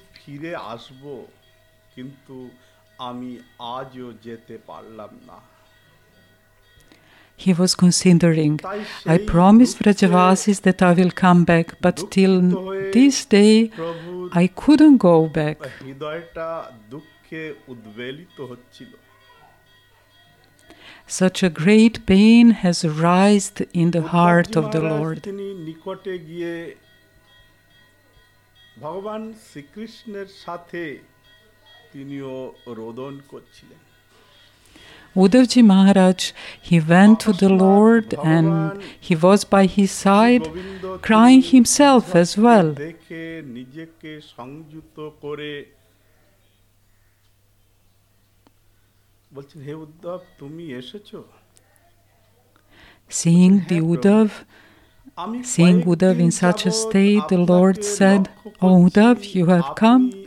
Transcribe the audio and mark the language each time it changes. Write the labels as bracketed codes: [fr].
[bn] ফিরে আসব কিন্তু আমি আজও যেতে পারলাম না। [en] He was considering, I promised Vrajavasis that I will come back, but till this day I couldn't go back. [bn] হৃদয়টা দুঃখে উদ্বেলিত হচ্ছিল। [en] Such a great pain has arisen in the heart of the Lord. [bn] তিনি নিকটে গিয়ে ভগবান শ্রীকৃষ্ণের সাথে তিনিও রোদন করছিলেন। [en] Uddhavji Maharaj, he went to the lord and he was by his side crying himself as well. [bn] দেখে নিজেকে সংযুক্ত করে বলছেন, হে উদ্ধব, তুমি এসেছো। [en] Seeing the Uddhav Seeing Uddhav in such a state, the Lord said, O Uddhav, you have come.